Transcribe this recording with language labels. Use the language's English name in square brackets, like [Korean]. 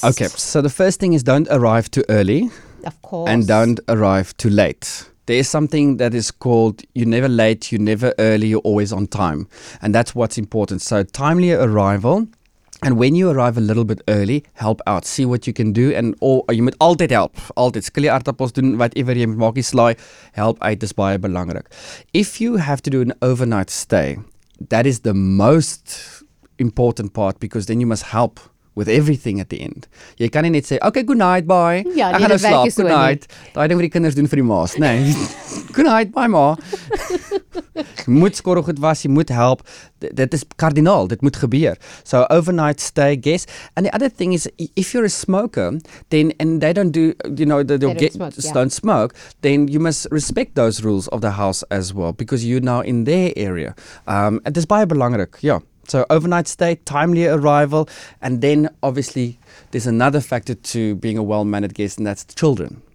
[English] Okay, so the first thing is don't arrive too early. Of course. And don't arrive too late. There's something that is called you're never late, you're never early, you're always on time. And that's what's important. So, timely arrival. And when you arrive a little bit early, help out. See what you can do. And or you [Afrikaans] moet altyd help. Altyd. Skil die aardappels doen, whatever jy moet maak die slaai. Help uit is baie belangrik. [English] If you have to do an overnight stay, that is the most important part because then you must help with everything at the end. [Afrikaans] Jy kan nie net sê, [English] okay, good night, bye. [Afrikaans] Ja, ek gaan nou slaap, [English] good night. [Afrikaans] Daai ding wat die kinders doen vir die ma's. Nee, [English] good night, bye [Afrikaans] ma. Jy moet skorrel goed was, jy moet help. Dit is kardinaal, dit moet gebeur. [English] So overnight stay, guess. And the other thing is, if you're a smoker, then and they don't do, you know, don't smoke, then you must respect those rules of the house as well, because you're now in their area. [Afrikaans] En dit is baie belangrik, ja. [English] Yeah. So overnight stay, timely arrival, and then obviously there's another factor to being a well-mannered guest, and that's the children.